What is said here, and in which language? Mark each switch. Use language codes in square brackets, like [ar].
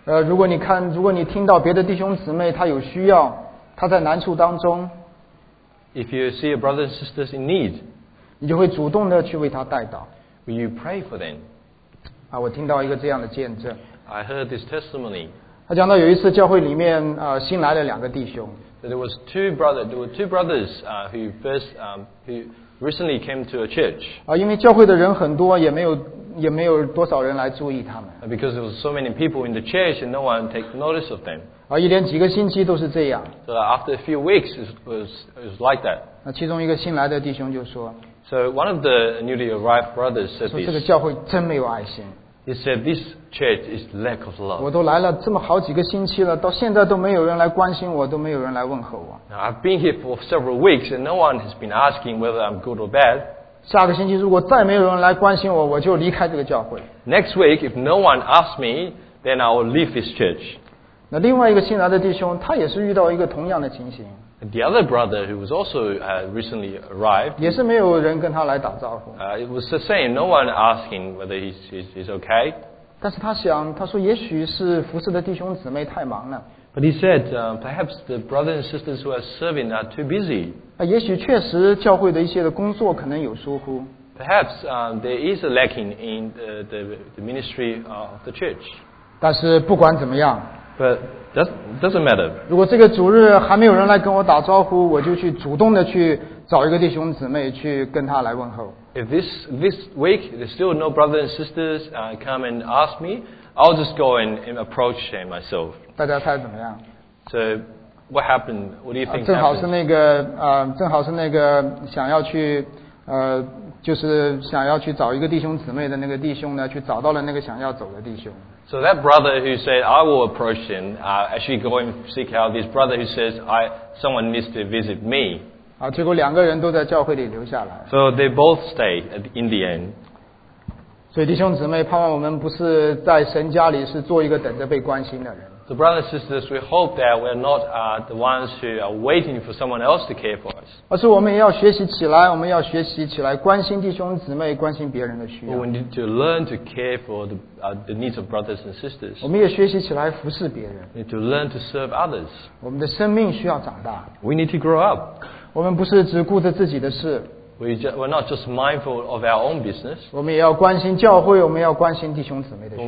[zh] 如果你听到别的弟兄姊妹他有需要，他在难处当中。 [en] If you see a brother and sisters in need, [zh] 你就会主动的去为他代祷。 [en] Will you pray for them? [zh] 啊，我听到一个这样的见证。 [en] I heard this testimony. [zh] 他讲到有一次教会里面新来了两个弟兄。 [en] There were two brothers who recently came to a church. [zh] 啊，因为教会的人很多，也没有多少人来注意他们。 [en] Because there were so many people in the church, and no one take notice of them. [zh] 而一连几个星期都是这样。 [en] So after a few weeks, it was like that. [zh] 那其中一个新来的弟兄就说。 [en] So one of the newly arrived brothers said this. [zh] 说这个教会真没有爱心。 [en] He said this church is lack of love. [zh] 我都来了这么好几个星期了，到现在都没有人来关心我，都没有人来问候我。 [en] Now, I've been here for several weeks, and no one has been asking whether I'm good or bad. [zh] 下个星期如果再没有人来关心我，我就离开这个教会。 [en] Next week, if no one asks me, then I will leave this church. [zh] 那另外一个新来的弟兄，他也是遇到一个同样的情形。 [en] The other brother who was also recently arrived, [zh] 也是没有人跟他来打招呼。 [en] It was the same. No one asked him whether he's okay. [zh] 但是他想，他说也许是服侍的弟兄姊妹太忙了。 [en] But he said, perhaps the brothers and sisters who are serving are too busy. [zh] 也许确实教会的一些的工作可能有疏忽。 [en] Perhaps there is a lacking in the ministry of the church. [zh] 但是不管怎么样。 [en] But doesn't matter. [zh] 如果这个主日还没有人来跟我打招呼，我就去主动的去找一个弟兄姊妹去跟他来问候。 [en] If this week there's still no brothers and sisters come and ask me, I'll just go and approach him myself. [zh] 大家猜怎么样？ [en] So what happened? What do you think? [zh] 正好是那个想要去就是想要去找一个弟兄姊妹的那个弟兄呢，去找到了那个想要走的弟兄。 [en] So that brother who said I will approach him, actually go and seek out this brother who says someone needs to visit me. [zh] 啊，结果两个人都在教会里留下来。 [en] So they both stayed in the end. [zh] 所以弟兄姊妹，盼望我们不是在神家里是做一个等着被关心的人。 [en] So brothers and sisters, we hope that we're not the ones who are waiting for someone else to care for us. [zh] 而是我们也要学习起来，我们要学习起来关心弟兄姊妹，关心别人的需要。 [en] We need to learn to care for the needs of brothers and sisters. [zh] 我们也学习起来服侍别人。 [en] We need to learn to serve others. [zh] 我们的生命需要长大。 [en] We need to grow up. [zh] 我们不是只顾着自己的事。 [en] We're not just mindful of our own business. [zh] 我们也要关心教会，我们要关心弟兄姊妹的需要。